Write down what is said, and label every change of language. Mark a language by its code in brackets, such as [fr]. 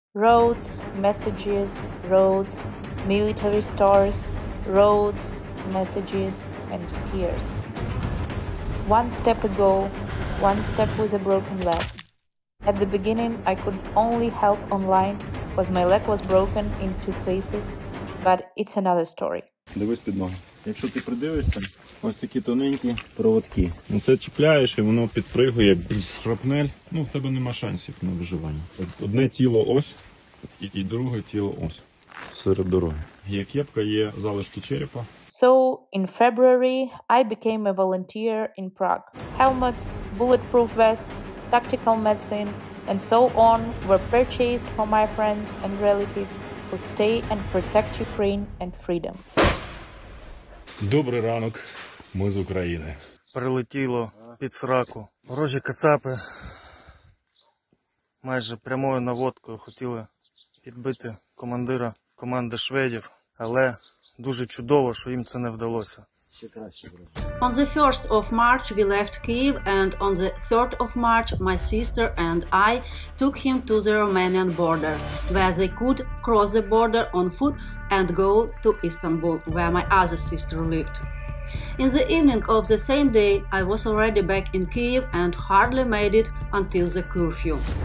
[en] Roads, messages, roads, military stores, roads, messages, and tears. One step ago, one step with a broken leg. At the beginning, I could only help online because my leg was broken in two places, but it's another story. [uk] Дивись під ноги. Якщо ти придивишся, ось такі тоненькі проводки. Ну це чіпляєш, і воно підпригує, шрапнель. Ну, в тебе нема шансів на виживання. Одне тіло ось, і друге тіло ось. Серед дороги. Є кепка, є залишки черепа. [en] So, in February, I became a volunteer in Prague. Helmets, bulletproof vests, tactical medicine, and so on were purchased for my friends and relatives who stay and protect Ukraine and freedom. [uk] Добрий ранок, ми з України. Прилетіло під сраку. Ворожі кацапи майже прямою наводкою хотіли підбити командира команди шведів, але дуже чудово, що їм це не вдалося. [en] On the 1st of March we left Kyiv, and on the 3rd of March my sister and I took him to the Romanian border, where they could cross the border on foot and go to Istanbul, where my other sister lived. In the evening of the same day I was already back in Kyiv and hardly made it until the curfew.